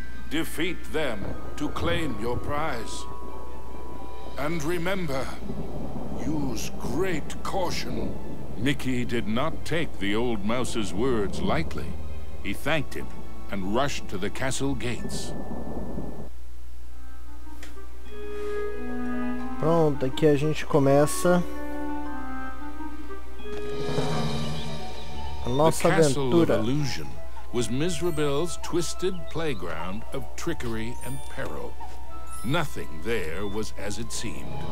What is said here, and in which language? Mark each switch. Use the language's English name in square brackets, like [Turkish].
[English] Defeat them to claim your prize. And remember, use great caution. Mickey did not take the old mouse's words lightly. He thanked him and rushed to the castle gates. [Portuguese] Pronto, aqui a gente começa a nossa aventura. [English] The Castle of Illusion was Miserabelle's twisted playground of trickery and peril. Nothing there was as it seemed.